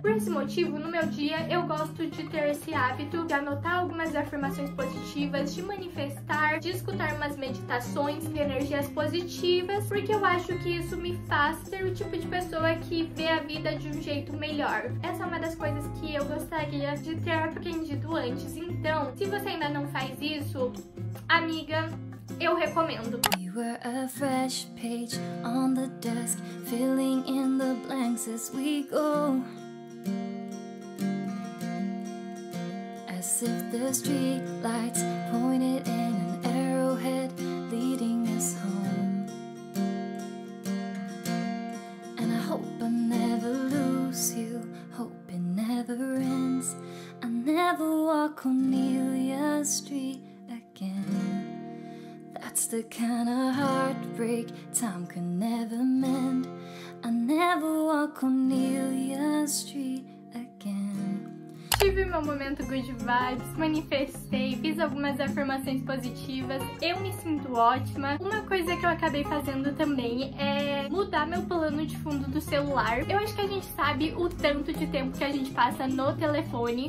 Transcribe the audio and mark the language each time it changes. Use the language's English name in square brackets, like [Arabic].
[Portuguese] Por esse motivo, no meu dia, eu gosto de ter esse hábito de anotar algumas afirmações positivas, de manifestar, de escutar umas meditações de energias positivas, porque eu acho que isso me faz ser o tipo de pessoa que vê a vida de um jeito melhor. Essa é uma das coisas que eu gostaria de ter aprendido antes. Então, se você ainda não faz isso, amiga, eu recomendo. [English] You were a fresh page on the desk, filling in the blanks as we go. As if the street lights pointed in an arrowhead leading us home. And I hope I never lose you, hope it never ends. I never walk Cornelia Street again. That's the kind of heartbreak time can never mend. I never walk Cornelia Street again. [Portuguese] Tive meu momento good vibes, manifestei, fiz algumas afirmações positivas, eu me sinto ótima. Uma coisa que eu acabei fazendo também é mudar meu plano de fundo do celular. Eu acho que a gente sabe o tanto de tempo que a gente passa no telefone.